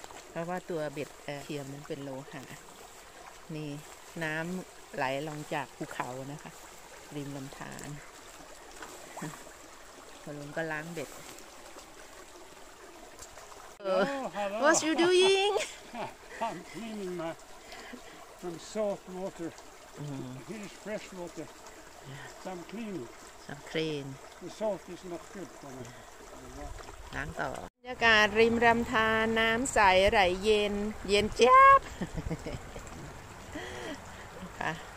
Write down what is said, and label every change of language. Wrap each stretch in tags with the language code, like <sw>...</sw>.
<th>เพราะว่าตัวเบ็ดเทียมมันเป็นโลหะนี่น้ำไหลลงจากภูเขานะคะริมลำธารคุณลุงก็ล้างเบ็ด</th> <en>Hello, what's you doing? I'm cleaning my from salt water. Here's fresh water. Yeah. So I'm cleaning. So I'm clean. The salt is not good for me.</en> <th>ล้างต่อบรรยากาศริมลำธารน้ำใสไหลเย็นเย็นแจ๊บค่ะ</th>